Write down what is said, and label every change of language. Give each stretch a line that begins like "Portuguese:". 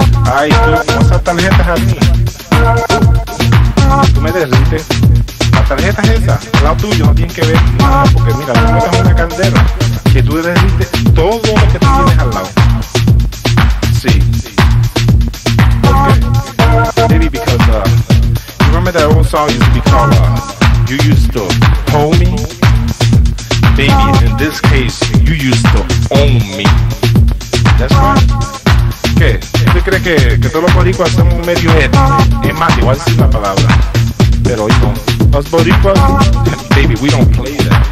Spanish: Ay, tú no usas tarjetas a mí. Tú me derrites. Las tarjetas esas, al lado tuyo, no tienen que ver nada, porque mira, tú metes una candela que tú derrites todo lo que tú tienes al lado. Sí. Okay.
English: Maybe because, you remember that old song used to be called, you used to hold me? Baby, in this case, you used to own me. That's right.
Spanish: ¿Qué? ¿Tú crees que todos los boricuas somos medio head? Es más, igual es la palabra. Pero oigo,
English: us boricuas, baby, we don't play that.